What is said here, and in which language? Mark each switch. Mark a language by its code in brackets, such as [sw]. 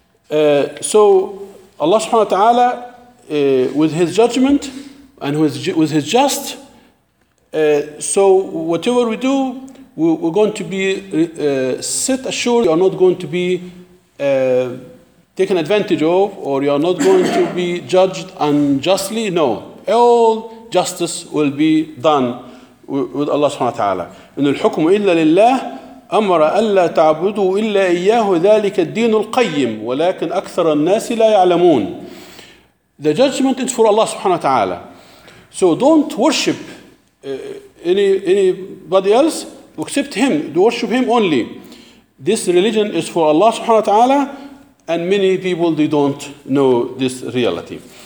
[en] So Allah subhanahu wa ta'ala, with His judgment and with His just, so whatever we do, we're going to be set assured, you are not going to be taken advantage of, or you are not going to be judged unjustly. No, all justice will be done with Allah subhanahu wa ta'ala. [ar] إِنُ الْحُكْمُ إِلَّا لِلَّهِ أمر ألا تعبدوا إلا إياه ذلك الدين القيم ولكن أكثر الناس لا يعلمون. [en] The judgment is for Allah subhanahu wa ta'ala. So don't worship anybody else except Him. Do worship Him only. This religion is for Allah subhanahu wa ta'ala, and many people, they don't know this reality.